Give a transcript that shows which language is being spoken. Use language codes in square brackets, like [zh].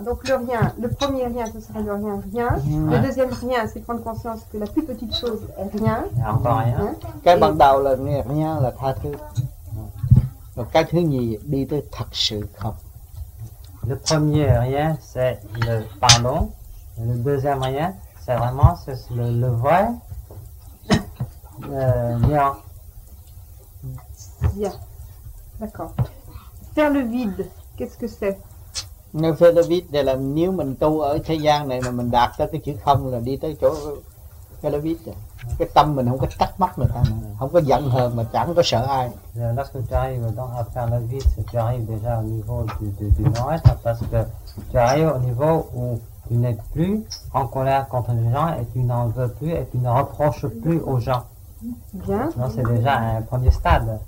[fr] Donc le rien, le premier rien, ce serait le rien, rien. Le deuxième rien, c'est prendre conscience que la plus petite chose est rien. [vi] Cái ban đầu là rien là tha thứ. Rồi cái thứ nhì đi tới thật sự không. [fr] Le premier rien, c'est le pardon. Le deuxième rien, c'est vraiment c'est le vrai lien. Bien. D'accord. Faire le vide, qu'est-ce que c'est? Faire le vide, c'est là [vi] nếu mình tu ở thế gian này mà mình đạt tới cái chữ không là đi tới chỗ [fr] faire le vide. [vi] Cái tâm mình không có trách móc người ta, không có giận hờn mà chẳng có sợ ai. [fr] Lorsque tu arrives donc à faire le vide, c'est tu arrives déjà au niveau du non-être, parce que tu arrives au niveau où tu n'es plus en colère contre les gens et tu n'en veux plus et tu ne reproches plus aux gens. Bien. Non, c'est déjà un premier stade.